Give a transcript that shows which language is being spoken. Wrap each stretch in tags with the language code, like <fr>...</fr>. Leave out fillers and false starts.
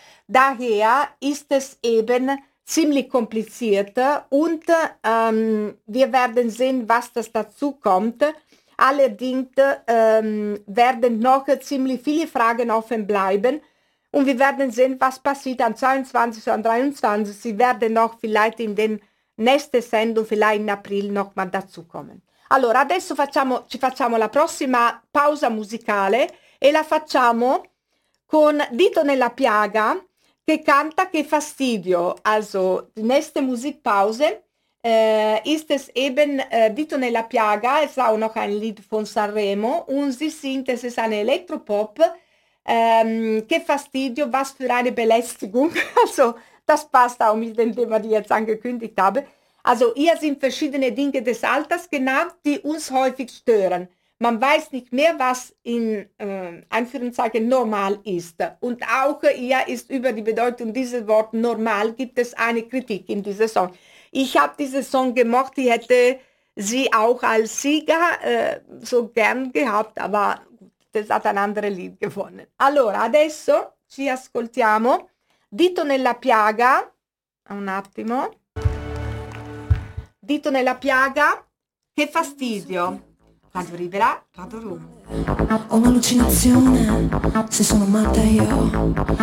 <de>Daher ist es eben ziemlich kompliziert und wir werden sehen, was das dazu kommt. Allerdings werden noch ziemlich viele Fragen offen bleiben. Und wir werden sehen, was passiert am 22. und 23. Sie werden noch vielleicht in den nächsten Sendung, vielleicht in April, nochmal dazukommen.</de> <it>Allora, adesso facciamo la prossima pausa musicale e la facciamo con Dito nella piaga, che canta Che fastidio.</it> <de>Also, die nächste Musikpause ist es eben Dito nella piaga, es ist auch noch ein Lied von Sanremo, und sie singt, es ist eine Elektropop, Che fastidio, was für eine Belästigung. Also, das passt auch mit dem Thema, die ich jetzt angekündigt habe. Also, hier sind verschiedene Dinge des Alters genannt, die uns häufig stören. Man weiß nicht mehr, was in Anführungszeichen normal ist. Und auch hier ist über die Bedeutung dieses Wort normal gibt es eine Kritik in dieser Song. Ich habe diese Song gemocht, ich hätte sie auch als Sieger so gern gehabt, aber es hat ein anderes Lied gewonnen.</de> <it>Allora, adesso ci ascoltiamo. Dito nella piaga. Un attimo. Dito nella piaga. Che fastidio. Radio Rivela, Radio Rum. Ho un'allucinazione, se sono matta io.</it>